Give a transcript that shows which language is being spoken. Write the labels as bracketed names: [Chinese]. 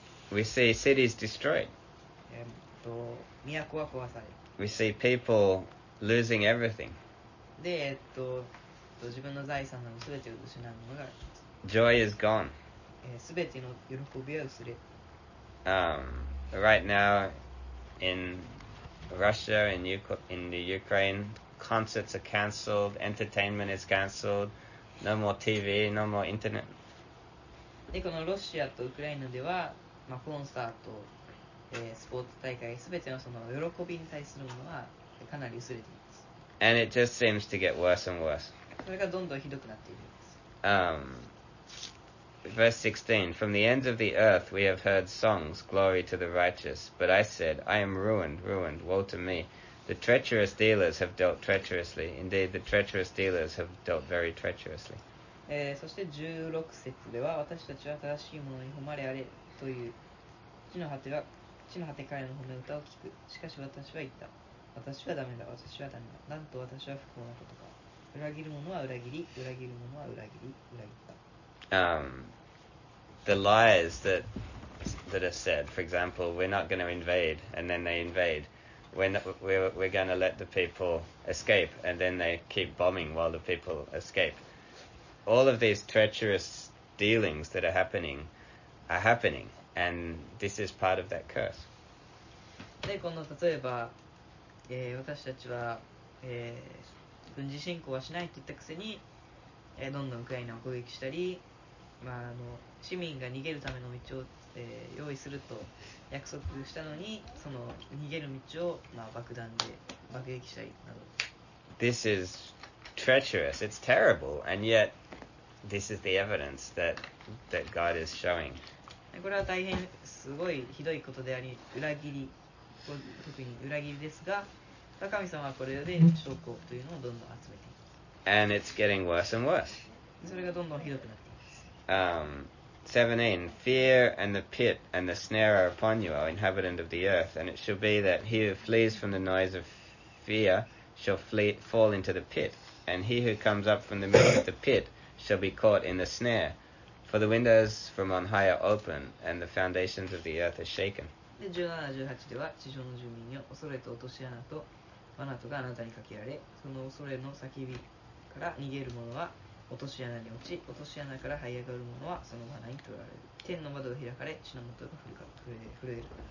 [English] We see cities destroyed. [Japanese] 都は壊され。 [English] We see people losing everything. [Japanese] で、自分の財産などすべてを失うものが。 [English] Joy is gone. [Japanese] すべての喜びは薄れ。 [English] Right now, in Russia, in the Ukraine, concerts are cancelled, entertainment is cancelled, no more TV, no more internet. [Japanese] でこのロシアとウクライナでは、コンサート、スポーツ大会、すべてのその喜びに対するものはかなり薄れています。 [English] And it just seems to get worse and worse. [Japanese] それがどんどんひどくなっているんです。 [English] Verse 16, From the ends of the earth we have heard songs, glory to the righteous. But I said, I am ruined, woe to me. The treacherous dealers have dealt treacherously. Indeed, the treacherous dealers have dealt very treacherously. [Japanese] そして16節では私たちは正しいものに誉れあれという地の果ては地の果てからの褒め歌を聞く。しかし私は言った、私はダメだ、私はダメだ、なんと私は不幸なことか。裏切る者は裏切り、裏切る者は裏切り、裏切った。 [English] The lies that are said, for example, we're not going to invade, and then they invade. We're going to let the people escape, and then they keep bombing while the people escape. All of these treacherous dealings that are happening, and this is part of that curse. [Japanese] で、この例えば、私たちは、軍事侵攻はしないと言ったくせに、どんどんウクライナを攻撃したり、まあ、市民が逃げるための道を、用意すると約束したのに、その逃げる道を、まあ、爆弾で爆撃したりなど。 [English] This is treacherous. It's terrible. And yet, this is the evidence that God is showing. [Japanese] これは大変すごいひどいことであり、裏切り、特に裏切りですが、神様はこれで証拠というのをどんどん集めています。 [English] And it's getting worse and worse. [Japanese] それがどんどんひどくなっています。 [English] 17. Fear and the pit and the snare are upon you, O inhabitant of the earth, and it shall be that he who flees from the noise of fear shall fall into the pit, and he who comes up from the middle of the pit shall be caught in the snare. For the windows from on high are open, and the foundations of the earth are shaken. [Japanese] 17-18 では、地上の住民よ、恐れと落とし穴と罠とがあなたにかけられ、その恐れの叫びから逃げる者は落とし穴に落ち、落とし穴から這い上がる者はその罠に取られる。天の窓が開かれ、地の元が震える。